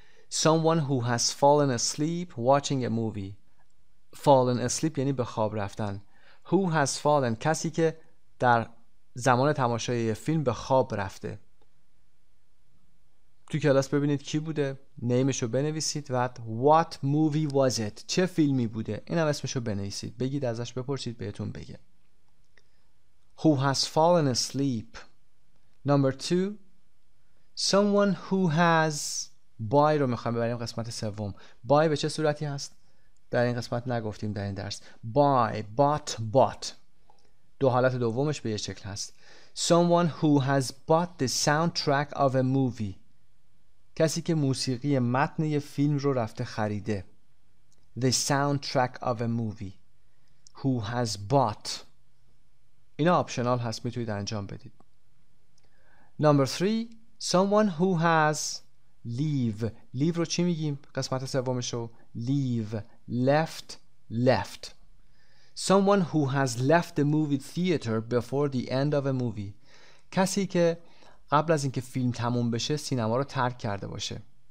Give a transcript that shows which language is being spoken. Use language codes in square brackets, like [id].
[en] Someone who has fallen asleep watching a movie. Fallen asleep [fa] یعنی به خواب رفتن. [en] Who has fallen، [fa] کسی که در زمان تماشای یه فیلم به خواب رفته. تو کلاس ببینید کی بوده، نیمشو بنویسید و [en] what movie was it، [fa] چه فیلمی بوده، این هم اسمشو بنویسید، بگید ازش بپرسید بهتون بگه. [en] Who has fallen asleep. Number 2. Someone who has by [fa] رو میخوایم ببریم قسمت سوم. by به چه صورتی هست؟ در این قسمت نگفتیم در این درس. [en] by، bought، bought. [fa] دو حالت دومش به یه شکل هست. [en] Someone who has bought the soundtrack of a movie. [fa] کسی که موسیقی متن یه فیلم رو رفته خریده. [en] The soundtrack of a movie. Who has bought. [fa] اینا آپشنال هست، میتونید انجام بدید. [en] Number 3. Someone who has leave. leave [fa] رو چی میگیم؟ قسمت سومش رو [en] leave. left. left. Someone who has left the movie theater before the end of a movie. [fa] کسی که قبل از اینکه فیلم تموم بشه سینما رو ترک کرده باشه.